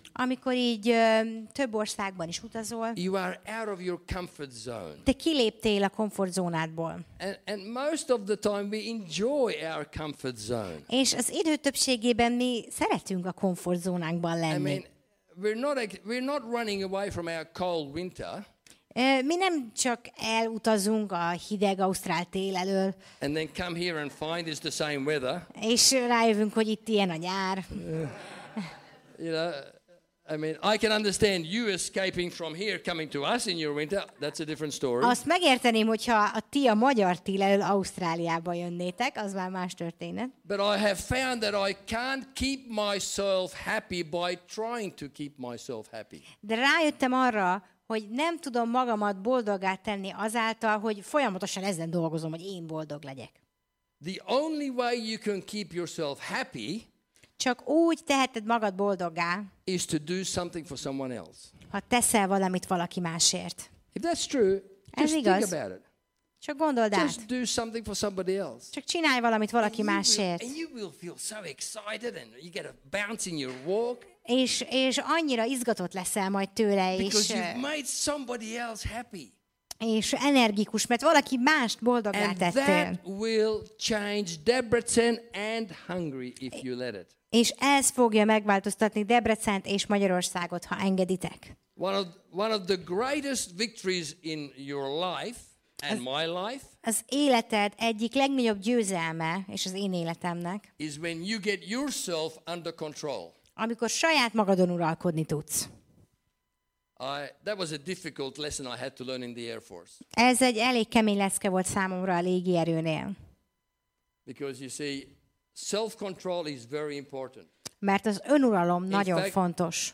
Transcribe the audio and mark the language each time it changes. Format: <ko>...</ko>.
<hu>amikor így több országban is utazol,</hu> <en>you are out of your comfort zone.</en> <hu>Te kiléptél a komfortzónádból.</hu> <en>And most of the time we enjoy our comfort zone.</en> <hu>És az idő többségében mi szeretünk a komfortzónánkban lenni.</hu> <en>I mean, we're not running away from our cold winter.</en> <hu>Mi nem csak elutazunk a hideg ausztrál tél elől.</hu> <en>And then come here and find it's the same weather.</en> <hu>És rájövünk, hogy itt ilyen a nyár.</hu> <en>You know, I mean, I can understand you escaping from here coming to us in your winter. That's a different story.</en> <hu>Azt megérteném, hogyha a ti a magyar tél elől Ausztráliába jönnétek, az már más történet.</hu> <en>But I have found that I can't keep myself happy by trying to keep myself happy.</en> <hu>De rájöttem arra, hogy nem tudom magamat boldoggá tenni azáltal, hogy folyamatosan ezen dolgozom, hogy én boldog legyek.</hu> <en>The only way you can keep yourself happy,</en> <hu>csak úgy teheted magad boldoggá,</hu> <en>is to do something for someone else.</en> <hu>Ha teszel valamit valaki másért.</hu> <en>If that's true,</en> <hu>ez</hu> <en>just</en> <hu>igaz,</hu> <en>think about it.</en> <hu>Csak gondold át.</hu> <en>Just do something for somebody else.</en> <hu>Csak csinálj valamit valaki másért.</hu> <en>And you will feel so excited and you get a bounce in your walk.</en> <hu>És annyira izgatott leszel majd tőle is.</hu> <en>Because you've made somebody else happy.</en> <hu>És energikus, mert valaki mást boldoggá tettél.</hu> <en>And that will change Debrecen and Hungary if you let it.</en> <hu>És ez fogja megváltoztatni Debrecent és Magyarországot, ha engeditek.</hu> <en>One of the greatest victories in your life and my life.</en> <hu>Az életed egyik legnagyobb győzelme és az én életemnek.</hu> <en>Is when you get yourself under control.</en> <hu>Amikor saját magadon uralkodni tudsz.</hu> <en>That was a difficult lesson I had to learn in the Air Force.</en> <hu>Ez egy elég kemény leszke volt számomra a légierőnél.</hu> <en>Because you see, self-control is very important.</en> <hu>Mert az önuralom nagyon fontos.</hu>